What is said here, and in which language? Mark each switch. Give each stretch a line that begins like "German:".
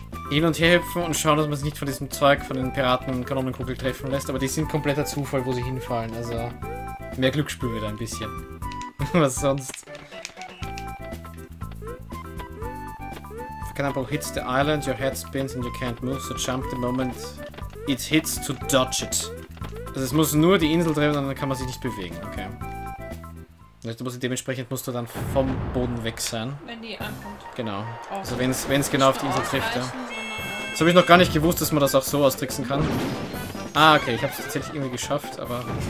German: Hin und her hüpfen und schauen, dass man sich nicht von diesem Zeug, von den Piraten und Kanonenkugeln treffen lässt. Aber die sind kompletter Zufall, wo sie hinfallen. Also, mehr Glück spüren wir da ein bisschen. Was sonst?
English: For example, hits the island, your head spins and you can't move, so jump the moment it hits to dodge it.
German: Also es muss nur die Insel treffen, dann kann man sich nicht bewegen, okay. Also dementsprechend musst du dann vom Boden weg sein. Wenn die ankommt. Genau. Oh, also wenn es genau auf die Insel trifft, ja. Das habe ich noch gar nicht gewusst, dass man das auch so austricksen kann. Ah, okay, ich habe es tatsächlich irgendwie geschafft, aber...